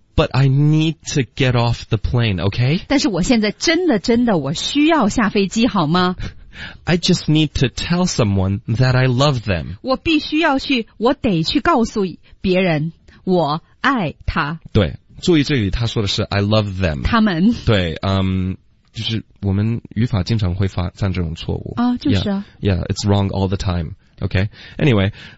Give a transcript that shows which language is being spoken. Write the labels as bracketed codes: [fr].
[en] But I need to get off the plane, okay? [zh] 但是我现在真的我需要下飞机好吗 [en] ？I just need to tell someone that I love them. [zh] 我必须要去，我得去告诉别人我爱他。对，注意这里他说的是 [en] I love them， [zh] 他们。对，就是我们语法经常会犯这种错误啊，就是啊 [en] ，Yeah, it's wrong all the time. Okay. Anyway,